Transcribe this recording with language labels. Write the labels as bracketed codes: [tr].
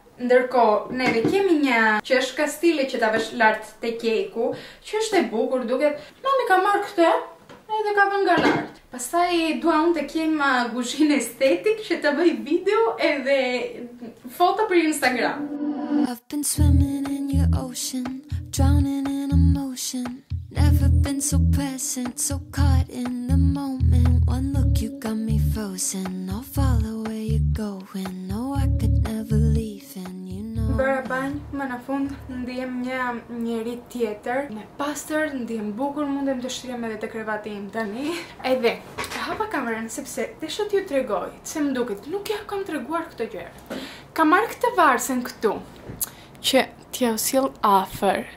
[sq] Ndërko, neve kemi një që është ka stile që ta vesh lartë të cake-u, që është e bukur duket, mami ka marrë këta, edhe ka vën nga lartë. Pastaj dua unë të kem guzhin estetik që të bëj video edhe foto për Instagram. [en] I've been swimming in your ocean, drowning in emotion. Never been so present, so caught in the moment. One look, you got me frozen. I'll follow where going, no, I could never leave, and you know. [sq] Bëra banj, më në fund ndihem një njeri tjetër, me pastër, ndihem bukur, mundem të shtrihem edhe te krevati im tani. Edhe hapa kamerën sepse desha t'ju tregoj, se më duket, nuk ja kam treguar këtë gjë. Kam marrë këtë varsën këtu, që t'ja u sjell afër.